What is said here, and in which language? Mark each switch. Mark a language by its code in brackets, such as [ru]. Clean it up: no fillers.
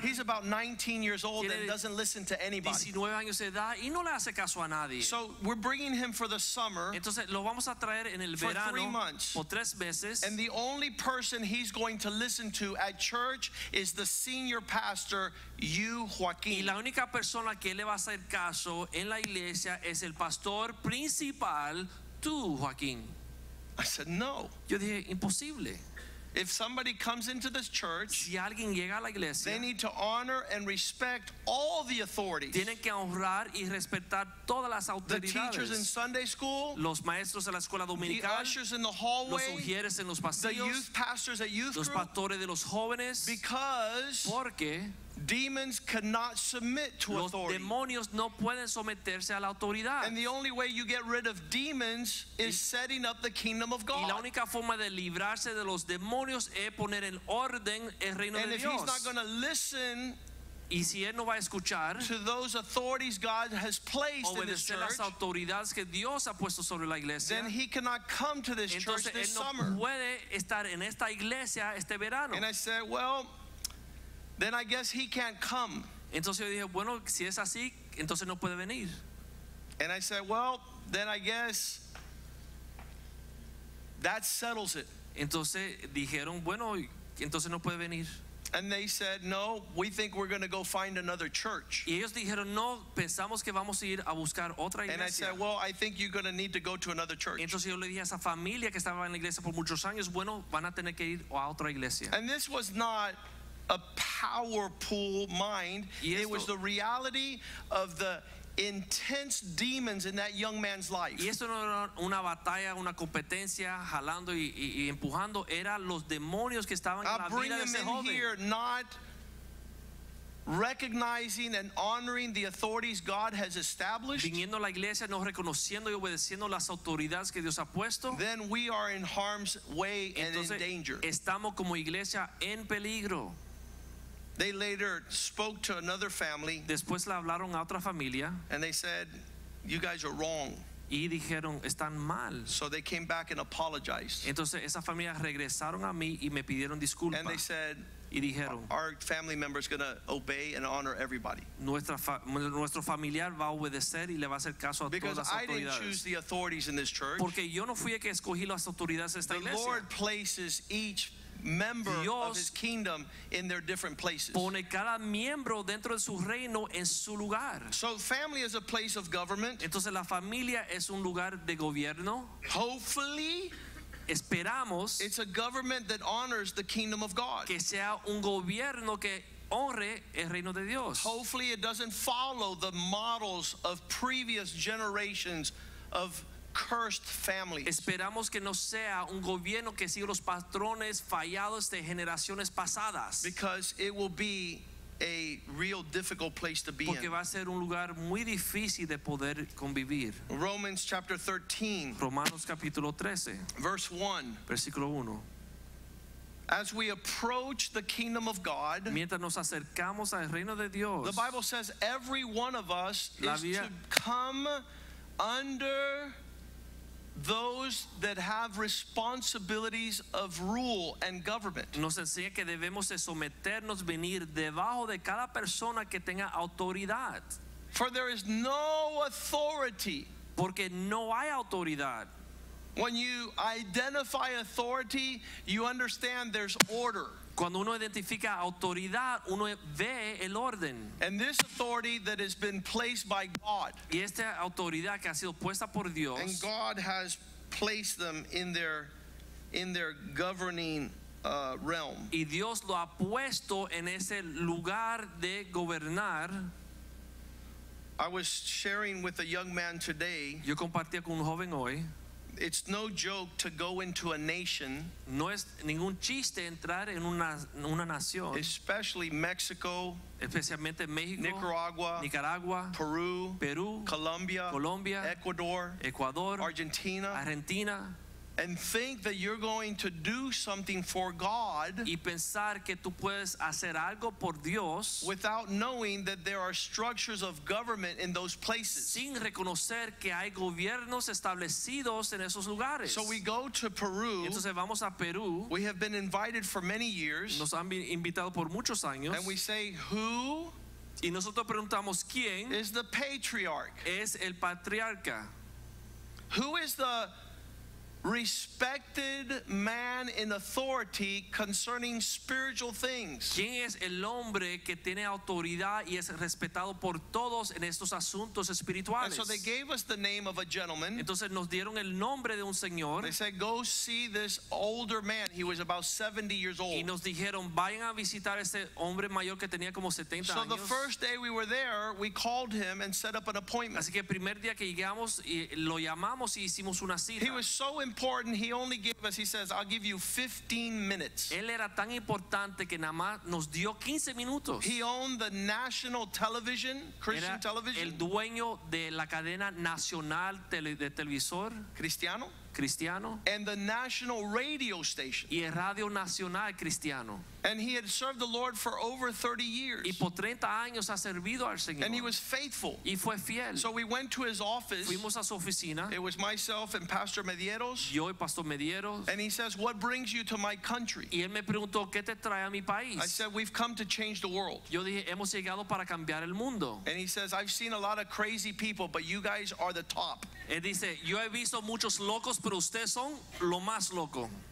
[en] He's about 19 years old and doesn't listen to anybody. [es] 19 años de edad y no le hace caso a nadie. [en] So we're bringing him for the summer. [es] Entonces lo vamos a traer en el verano. [en] For 3 months. [es] Por tres meses. [en] And the only person he's going to listen to at church is the senior pastor, you, Joaquin. [es] Y la única persona que le va a hacer caso en la iglesia es el pastor principal, tú, Joaquin. [en] I said no. [es] Yo dije imposible. [en] If somebody comes into this church, [es] si alguien llega a la iglesia, [en] they need to honor and respect all the authorities. [es] Tienen que honrar y respetar todas las autoridades. [en] The teachers in Sunday school, [es] los maestros de la escuela dominical, [en] the ushers in the hallway, [es] los ujieres en los pasillos, [en] the youth pastors at youth group, [es] los pastores de los jóvenes, [en] because [es] porque [en] demons cannot submit to [es] los [en] authority. [es] Demonios no pueden someterse a la autoridad. [en] And the only way you get rid of demons is setting up the kingdom of God. [es] Y la única forma de librarse de los demonios es poner en orden el reino [en] and [es] de [en] if [es] Dios. [en] He's not going to listen, [es] y si él no va a escuchar, [en] to those authorities God has placed in this church, [es] las autoridades que Dios ha puesto sobre la iglesia, [en] then he cannot come to this [es] entonces [en] church this [es] él no [en] summer. [es] Puede estar en esta iglesia este verano. [en] And I said, well, then I guess he can't come. [es] Entonces yo dije, bueno, si es así, entonces no puede venir. [en] And I said, well, then I guess that settles it. [es] Entonces dijeron, bueno, entonces no puede venir. [en] And they said, no, we think we're going to go find another church. [es] Y ellos dijeron, no, pensamos que vamos a ir a buscar otra iglesia. [en] And I said, well, I think you're going to need to go to another church. [es] Entonces yo le dije a esa familia que estaba en la iglesia por muchos años, bueno, van a tener que ir a otra iglesia. [en] And this was not a power pool mind. It was the reality of the intense demons in that young man's life. [es] Y esto no era una batalla, una competencia, jalando y empujando. Era los demonios que estaban en la vida de ese joven. [en] I bring them in here not recognizing and honoring the authorities God has established. [es] Viniendo a la iglesia, no reconociendo y obedeciendo las autoridades que Dios ha puesto. [en] Then we are in harm's way and in danger. [es] Estamos como iglesia en peligro. [en] They later spoke to another family. [es] Después le hablaron a otra familia. [en] And they said, "You guys are wrong." [es] Y dijeron, "Están mal." [en] So they came back and apologized. [es] Entonces esa familia regresaron a mí y me pidieron disculpas. [en] And they said, [es] y dijeron, [en] "Our family member is going to obey and honor everybody." [es] Nuestro familiar va a obedecer y le va a hacer caso a todas las autoridades. [en] Because I didn't choose the authorities in this church. [es] Porque yo no fui el que escogí las autoridades de esta iglesia. [en] The Lord places each member [es] Dios [en] of his kingdom in their different places. [es] Pone cada miembro dentro de su reino en su lugar. [en] So family is a place of government. [es] Entonces la familia es un lugar de gobierno. [en] Hopefully, [es] esperamos, [en] it's a government that honors the kingdom of God. [es] Que sea un gobierno que honre el reino de Dios. [en] Hopefully it doesn't follow the models of previous generations of cursed families. [es] Esperamos que no sea un gobierno que siga los patrones fallados de generaciones pasadas. [en] Because it will be a real difficult place to be. [es] Porque va a ser un lugar muy difícil de poder convivir. [en] Romans chapter 13. [es] Romanos capítulo 13. [en] Verse 1. [es] Versículo 1. [en] As we approach the kingdom of God, [es] mientras nos acercamos al reino de Dios, [en] the Bible says every one of us is to come under those that have responsibilities of rule and government. [es] Nos enseña que debemos de someternos, venir debajo de cada persona que tenga autoridad. [en] For there is no authority. [es] Porque no hay autoridad. [en] When you identify authority, you understand there's order. [es] Cuando uno identifica autoridad, uno ve el orden. [en] And this authority that has been placed by God. [es] Y esta autoridad que ha sido puesta por Dios. [en] And God has placed them in their governing realm. [es] Y Dios lo ha puesto en ese lugar de gobernar. [en] I was sharing with a young man today. [es] Yo compartía con un joven hoy. [en] It's no joke to go into a nation. [es] No es ningún chiste entrar en una nación. [en] Especially Mexico, [es] especialmente México, Nicaragua, Peru, Colombia, Ecuador, Argentina. [en] And think that you're going to do something for God. [es] Y pensar que tú puedes hacer algo por Dios. [en] Without knowing that there are structures of government in those places. [es] Sin reconocer que hay gobiernos establecidos en esos lugares. [en] So we go to Peru. [es] Entonces vamos a Perú. [en] We have been invited for many years. [es] Nos han invitado por muchos años. [en] And we say, who? [es] Y nosotros preguntamos quién. [en] Is the patriarch? [es] Es el patriarca. [en] Who is the respected man in authority concerning spiritual things? [es] ¿Quién es el hombre que tiene autoridad y es respetado por todos en estos asuntos espirituales? [en] And so they gave us the name of a gentleman. [es] Entonces nos dieron el nombre de un señor. [en] They said, go see this older man. He was about 70 years old. [es] Y nos dijeron, vayan a visitar este hombre mayor que tenía como 70 años. [en] So the first day we were there, we called him and set up an appointment. [es] Así que el primer día que llegamos lo llamamos y hicimos una cita. [en] He was so important, he only gave us, he says, I'll give you 15 minutes. [es] Él era tan importante que nada más nos dio 15 minutos. [en] He owned the national television, Christian television. [es] El dueño de la cadena nacional de televisor. Cristiano. Cristiano. [en] And the national radio station. [es] Y el radio nacional cristiano. [en] And he had served the Lord for over 30 years. [es] Y por 30 años ha servido al Señor. [en] And he was faithful. [es] Y fue fiel. [en] So we went to his office. [es] Fuimos a su oficina. [en] It was myself and Pastor Medieros. [es] Yo y Pastor Medieros. [en] And he says, what brings you to my country? [es] Y él me preguntó, ¿qué te trae a mi país? [en] I said, we've come to change the world. [es] Yo dije, hemos llegado para cambiar el mundo. [en] And he says, I've seen a lot of crazy people, but you guys are the top. [es] Él dice, yo he visto muchos locos, pero ustedes son lo más loco.